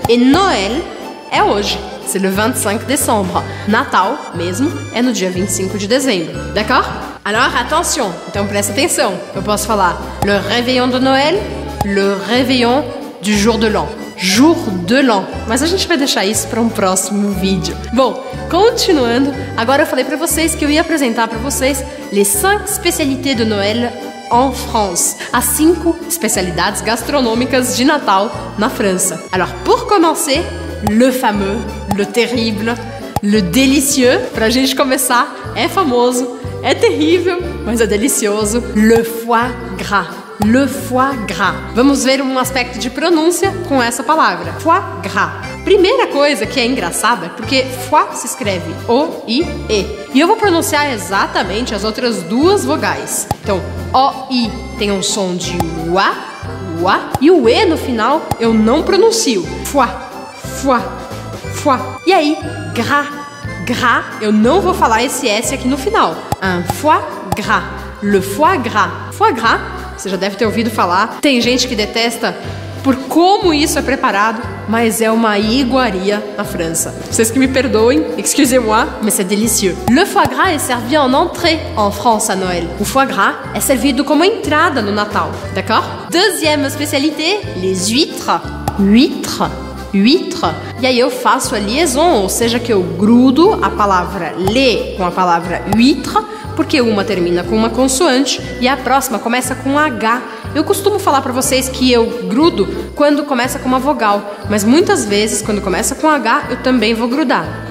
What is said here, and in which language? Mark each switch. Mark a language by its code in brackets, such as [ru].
[pt] E Noël é hoje, [fr] c'est le 25 décembre. [pt] Natal, mesmo, é no dia 25 de dezembro. [fr] D'accord? Alors, attention! [pt] Então, presta atenção. Eu posso falar [fr] le Réveillon de Noël, le Réveillon du jour de l'an. Jour de l'an. [pt] Mas a gente vai deixar isso para um próximo vídeo. Bom, continuando, agora eu falei para vocês que eu ia apresentar para vocês [fr] les 5 spécialités de Noël en France. [pt] As 5 especialidades gastronômicas de Natal na França. [fr] Alors, pour commencer, le fameux, le terrible, le délicieux. [pt] Pra gente começar, é famoso, é terrível, mas é delicioso. Le foie gras. Le foie gras. Vamos ver um aspecto de pronúncia com essa palavra. Foie gras. Primeira coisa que é engraçada é porque foie se escreve O, I, E. E eu vou pronunciar exatamente as outras duas vogais. Então, O, I tem um som de uá, uá. E o E no final eu não pronuncio. Foie, foie, foie. E aí, gras, gras. Eu não vou falar esse S aqui no final. [fr] Un foie gras. Le foie gras. Foie gras. [pt] Você já deve ter ouvido falar. Tem gente que detesta por como isso é preparado, mas é uma iguaria na França. Vocês que me perdoem, [fr] excusez-moi, mais c'est délicieux. Le foie gras est servi en entrée en France à Noël. [pt] O foie gras é servido como entrada no Natal, [fr] d'accord? Deuxième spécialité, les huîtres. Huîtres, huîtres. [pt] E aí eu faço a liaison, ou seja, que eu grudo a palavra les com a palavra huîtres, porque uma termina com uma consoante e a próxima começa com H. Eu costumo falar pra vocês que eu grudo quando começa com uma vogal, mas muitas vezes, quando começa com H, eu também vou grudar.